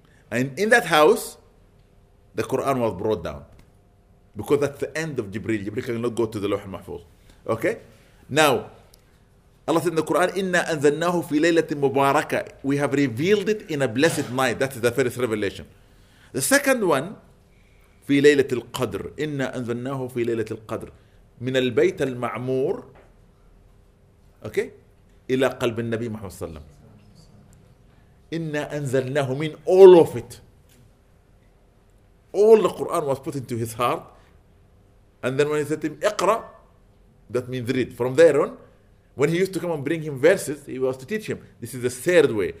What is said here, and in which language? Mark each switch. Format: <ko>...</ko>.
<en>And in that house, the Quran was brought down. Because that's the end of Jibreel. Jibreel cannot go to the Lawh al-Mahfuz. Okay? Now, Allah said in the Quran,</en> <ar>إِنَّا أَنزَلْنَاهُ فِي لَيْلَةٍ مُبَارَكَةٍ.</ar> <en>We have revealed it in a blessed night. That is the first revelation. The second one,</en> <ar>في ليلة القدر، إنا أنزلناه في ليلة القدر، من البيت المعمور أوكي إلى قلب النبي محمد صلى الله عليه وسلم. إنا أنزلناه من</ar> <en>all of it, all the Quran was put into his heart, and then when he said to him اقرأ, that means read. From there on, when he used to come and bring him verses, he was to teach him. This is the third way.</en>